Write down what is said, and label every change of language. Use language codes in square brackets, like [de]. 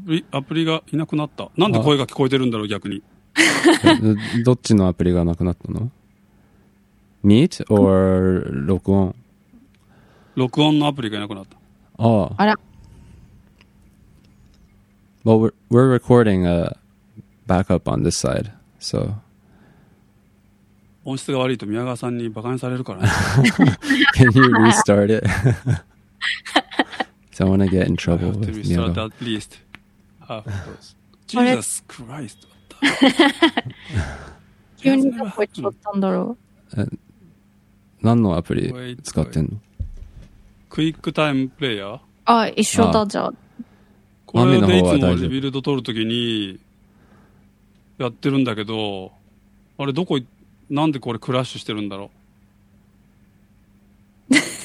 [ja] アプリがいなくなった。なんで声が聞こえてるんだろう、逆に。どっちのアプリがなくなったの？ Meet or 録音？録音のアプリがいなくなった。ああ。あら。 [en] Well, we're recording a backup on this side, so... [ja] 音質が悪いと宮川さんにバカにされるから [en] ね。Can you restart it? Don't wanna get in trouble with Miyago. I have to restart at least half of those. Jesus Christ. [ja] 急にどこ行っちゃったんだろう。何のアプリ使ってんの？ [en] Wait, [ja] クイックタイムプレイヤー。あ、一緒だじゃん。これでいつもリビルド取るときにやってるんだけど、あれどこ、なんでこれクラッシュしてるんだろう。